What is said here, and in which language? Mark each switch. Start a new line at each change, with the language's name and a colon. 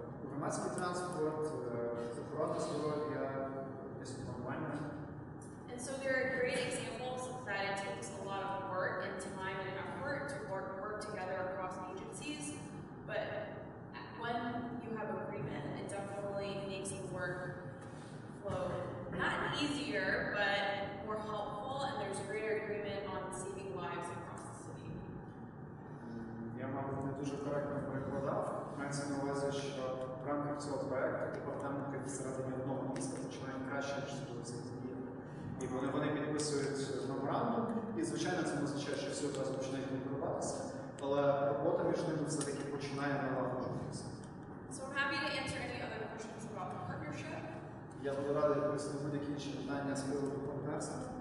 Ukrainian: Громадський транспорт, охорона здоров'я, містопланування.
English: And so there are great examples that it takes a lot of work and time and effort to work together across agencies. But when you have agreement, it definitely makes your work flow not easier, but more helpful, and there's greater agreement on saving lives across the city.
Ukrainian: Я, мабуть, не дуже коректно перекладав. Мається на увазі, що в рамках цього проекту департаменти всередині одного міста починають краще, ніж ситуація з Києвом. І вони підписують меморандум, і, звичайно, це означає, що все одразу починає конкуруватися, але робота між ними все-таки починає налагоджуватися.
English: So I'm happy to answer any other questions about the partnership.
Ukrainian: Я буду радий відповісти на будь-які інші питання з приводу партнерства.